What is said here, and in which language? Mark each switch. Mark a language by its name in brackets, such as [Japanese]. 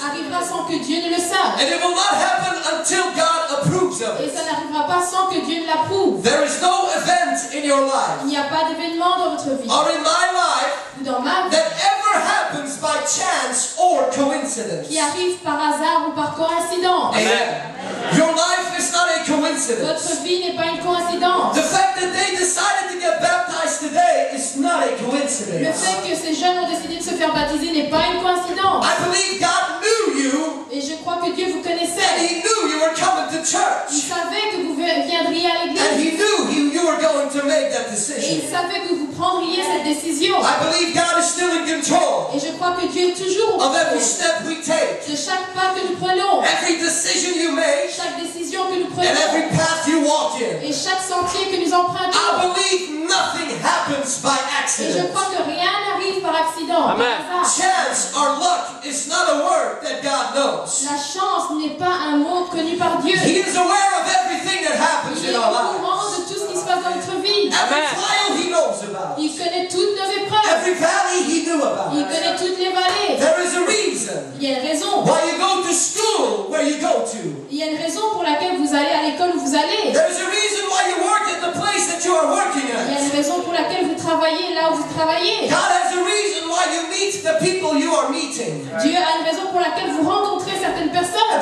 [English] And it will not happen until God approves of it. [French] Et ça n'arrivera pas sans que Dieu l'approuve. [English] There is no event in your life [French] Il n'y a pas d'événement dans votre vie. [English] Or in my life [French] dans ma vie. [English] That ever happens by chance or coincidence. [French] Qui arrive par hasard ou par coïncidence. [English] Amen. Amen. Your life is not a coincidence. [French] Votre vie n'est pas une coïncidence. [English] The fact that they decided to get baptized today is not a coincidence. [French] Le fait que ces jeunes ont décidé de se faire baptiser n'est pas une coïncidence. [English] I believe God knew you. [French] Et je crois que Dieu vous connaissait. [English] And he knew you were coming to church. [French] Il savait que vous viendriez à l'église. [English] And he knew you were going to make that decision. [French] Et il savait que vous prendriez cette décision. [English] I believe God is still in control. [French] Et je crois que Dieu est toujours au contrôle. [English] Of every step we take. [French] De chaque pas que nous prenons. [English] Every decision you make. [French] Chaque décision que nous prenons, [English] and every path you walk in, [French] et chaque sentier que nous empruntons, [English] I believe nothing happens by accident. [French] Et je crois que rien n'arrive par accident. [English] Amen. Chance or luck is not a word that God knows. [French] La chance n'est pas un mot connu par Dieu. [English] He is aware of everything that happens [French] Il [English] in our lives. [French] Il est au courant de tout ce qui se passe dans notre vie. [English] Every trial he knows about. [French] Il connaît toutes nos épreuves. [English] Every valley he knew about. [French] Il connaît toutes les vallées. [English] There is a reason. [French] Il y a une raison. [English] Why you go to school where you go to? [French] Il y a une raison pour laquelle vous allez à l'école où vous allez. Il y a une raison pour laquelle vous travaillez là où vous travaillez. Dieu a une raison pour laquelle vous rencontrez certaines personnes.